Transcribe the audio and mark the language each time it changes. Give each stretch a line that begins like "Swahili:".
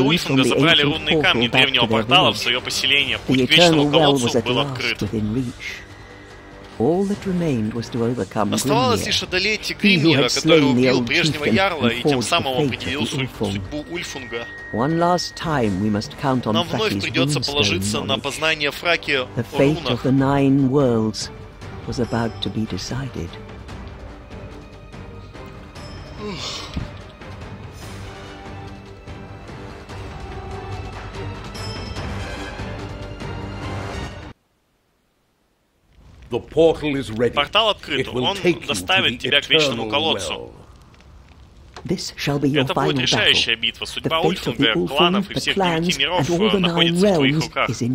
Russian: Люди Ульфунга забрали рунные камни древнего портала в свое поселение. Путь к вечному колодцу был открыт.
English: All that remained was to overcome Grimnir.
Russian: Оставалось лишь одолеть Тигримира, который убил прежнего ярла и тем самым определил судьбу Ульфунга.
English: One last time we must count on
Russian: нам вновь придется положиться на познание Фраки о рунах.
English: The fate of the nine worlds was about to be decided. The portal is ready.
Russian: Портал открыт. Он доставит тебя к вечному колодцу.
English: This shall be your final battle.
Russian: Это будет решающая битва. Судьба Ульфунга, кланов и всех пяти миров находится в твоих руках.